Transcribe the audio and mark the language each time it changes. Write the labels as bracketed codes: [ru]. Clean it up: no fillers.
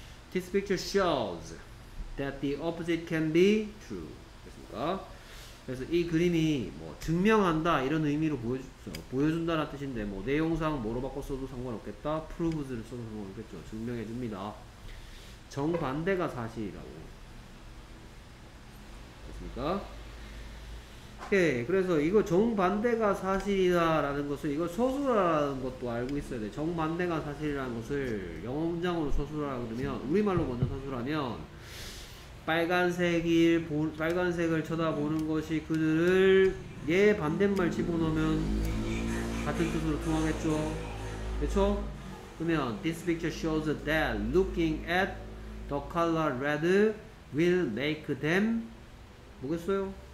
[en] This picture shows that the opposite can be true. [ko] 됐습니까? 그래서 이 그림이 뭐 증명한다 이런 의미로 보여준다는 뜻인데 뭐 내용상 뭐로 바꿨어도 상관없겠다. proves를 써도 상관없겠죠. 증명해줍니다. 정반대가 사실이라고. 됐습니까? 오케이. 그래서 이거 정반대가 사실이다라는 것을 이거 서술화라는 것도 알고 있어야 돼. 정반대가 사실이라는 것을 영어 문장으로 서술화라고 그러면 우리말로 먼저 서술하면 빨간색을 쳐다보는 것이 그들을 얘 반대말 집어넣으면 같은 뜻으로 통하겠죠. 그렇죠? 그러면 [en] this picture shows that looking at the color red will make them [ko] 뭐겠어요?